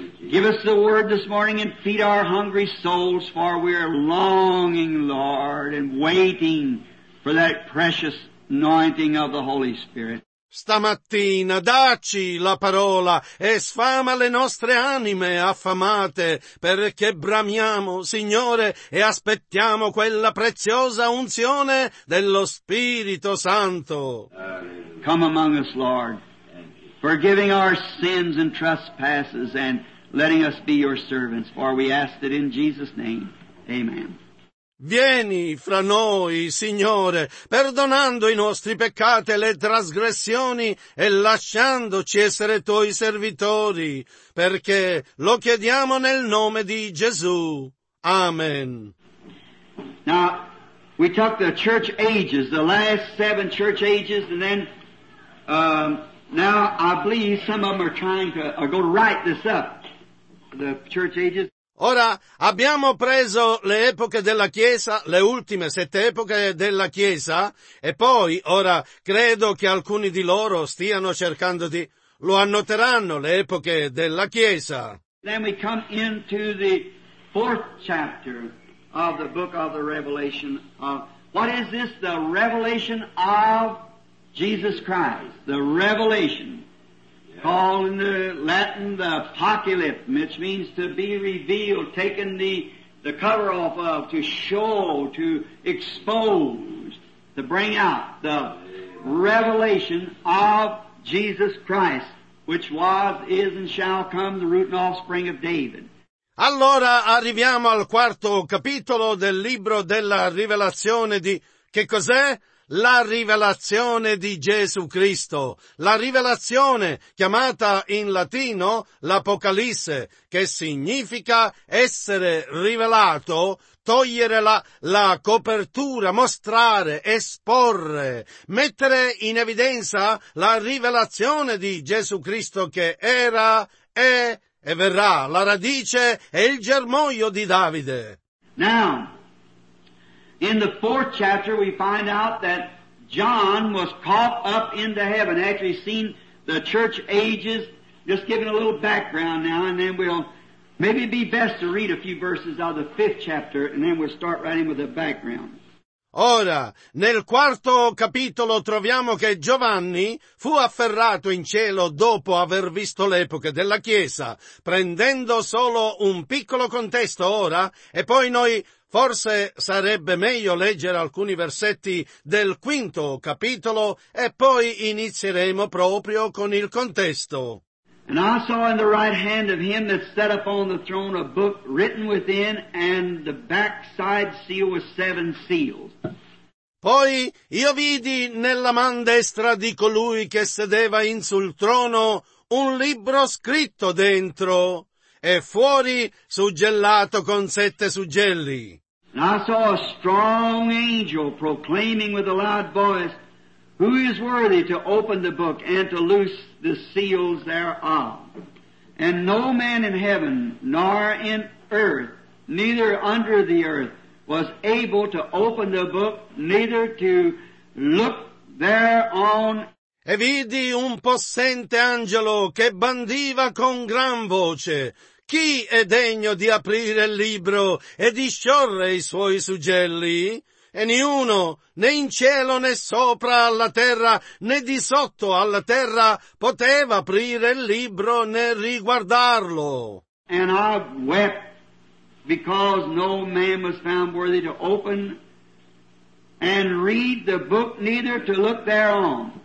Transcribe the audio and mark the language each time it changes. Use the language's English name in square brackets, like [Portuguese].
[English] Give us the word this morning and feed our hungry souls, for we are longing, Lord, and waiting for that precious anointing of the Holy Spirit. [Italian] Stamattina dacci la parola e sfama le nostre anime affamate, perché bramiamo, Signore, e aspettiamo quella preziosa unzione dello Spirito Santo. [English] Come among us, Lord, forgiving our sins and trespasses and letting us be your servants, for we ask it in Jesus' name. Amen. [Italian] Vieni fra noi, Signore, perdonando i nostri peccati e le trasgressioni e lasciandoci essere Tuoi servitori, perché lo chiediamo nel nome di Gesù. Amen. [English] Now, we took the church ages, the last seven church ages, and then now I believe some of them are going to write this up, the church ages. [Italian] Ora abbiamo preso le epoche della Chiesa, le ultime sette epoche della Chiesa, e poi ora credo che alcuni di loro stiano cercando di lo annoteranno le epoche della Chiesa. [English] Then we come into the fourth chapter of the book of the Revelation. What is this? The revelation of Jesus Christ. The revelation. Called in the Latin the apocalypse, which means to be revealed, taken the cover off of, to show, to expose, to bring out the revelation of Jesus Christ, which was, is, and shall come the root and offspring of David. [Italian] Allora arriviamo al quarto capitolo del libro della rivelazione di Che cos'è? La rivelazione di Gesù Cristo, la rivelazione chiamata in latino l'Apocalisse, che significa essere rivelato, togliere la copertura, mostrare, esporre, mettere in evidenza la rivelazione di Gesù Cristo che era, è e verrà, la radice e il germoglio di Davide. [English] Now, in the fourth chapter we find out that John was caught up into heaven after he's seen the church ages. Just giving a little background now, and then we'll maybe it'd be best to read a few verses out of the fifth chapter, and then we'll start right in with the background. [Italian] Ora, nel quarto capitolo troviamo che Giovanni fu afferrato in cielo dopo aver visto l'epoca della Chiesa, prendendo solo un piccolo contesto ora, e poi noi forse sarebbe meglio leggere alcuni versetti del quinto capitolo e poi inizieremo proprio con il contesto. [English] And I saw in the right hand of him that sat upon the throne a book written within, and the backside seal was seven seals. [Italian] Poi io vidi nella man destra di colui che sedeva in sul trono un libro scritto dentro e fuori suggellato con sette suggelli. [English] And I saw a strong angel proclaiming with a loud voice, who is worthy to open the book and to loose the seals thereof? And no man in heaven, nor in earth, neither under the earth, was able to open the book, neither to look thereon. [Italian] E vidi un possente angelo che bandiva con gran voce, chi è degno di aprire il libro e di sciorre i suoi suggelli? E niuno, né in cielo, né sopra alla terra, né di sotto alla terra, poteva aprire il libro né riguardarlo. [English] And I wept because no man was found worthy to open and read the book, neither to look thereon.